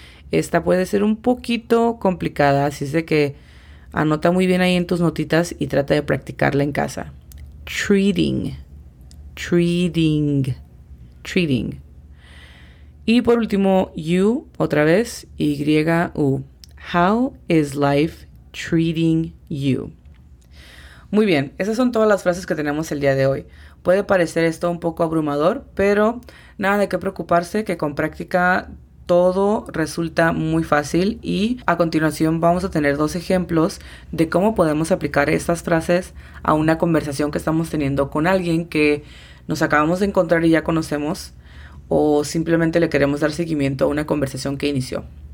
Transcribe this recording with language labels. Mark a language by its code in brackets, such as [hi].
[es] Esta puede ser un poquito complicada, así es de que anota muy bien ahí en tus notitas y trata de practicarla en casa. [en] Treating, treating, treating. [es] Y por último, you, otra vez, Y-U. [en] How is life treating you? [es] Muy bien, esas son todas las frases que tenemos el día de hoy. Puede parecer esto un poco abrumador, pero nada de qué preocuparse, que con práctica todo resulta muy fácil. Y a continuación vamos a tener dos ejemplos de cómo podemos aplicar estas frases a una conversación que estamos teniendo con alguien que nos acabamos de encontrar y ya conocemos, o simplemente le queremos dar seguimiento a una conversación que inició.